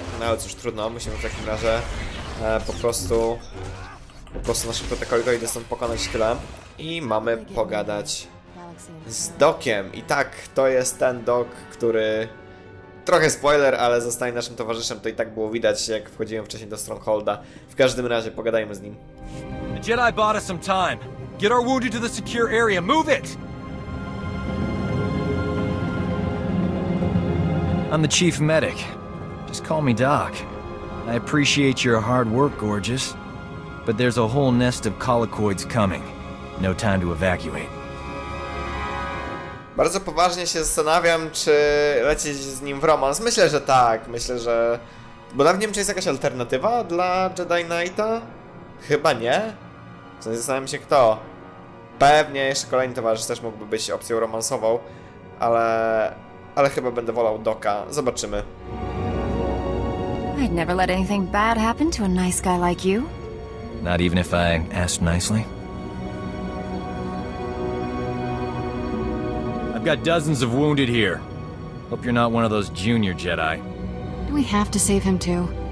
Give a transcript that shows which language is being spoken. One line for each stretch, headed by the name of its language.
Polish: No ale cóż, trudno, musimy w takim razie po prostu na szybko te kolikoidy stąd pokonać, tyle. I mamy pogadać z Dokiem. I tak, to jest ten Dok, który... Trochę spoiler, ale zostaje naszym towarzyszem, to i tak było widać, jak wchodziłem wcześniej do Strongholda. W każdym razie, pogadajmy z nim.
English: The Jedi bought us some time. Get our wounded to the secure area. Move it! I'm the chief medic. Just call me Doc. I appreciate your hard work, gorgeous. But there's a whole nest of colicoids coming. No time to evacuate.
Polish: Bardzo poważnie się zastanawiam, czy lecieć z nim w romans. Myślę, że tak. Myślę, że... Bo nawet nie wiem, czy jest jakaś alternatywa dla Jedi Knighta? Chyba nie? Zastanawiam się, kto. Pewnie jeszcze kolejny towarzysz też mógłby być opcją romansową. Ale chyba będę wolał Doka. Zobaczymy.
English: I'd never let anything bad happen to a nice guy like you. Not even if I asked nicely? I've got dozens of wounded here. Hope you're not one of those junior Jedi. Do we have to save him too?